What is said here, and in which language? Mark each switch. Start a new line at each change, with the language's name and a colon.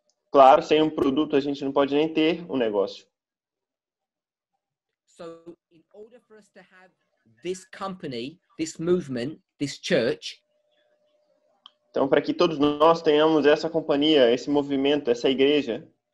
Portuguese: Claro, sem um produto a gente não pode nem ter um negócio.
English: So in order for us to have this company, this movement, this church.
Portuguese: Então, para que todos nós tenhamos essa companhia, esse movimento, essa igreja,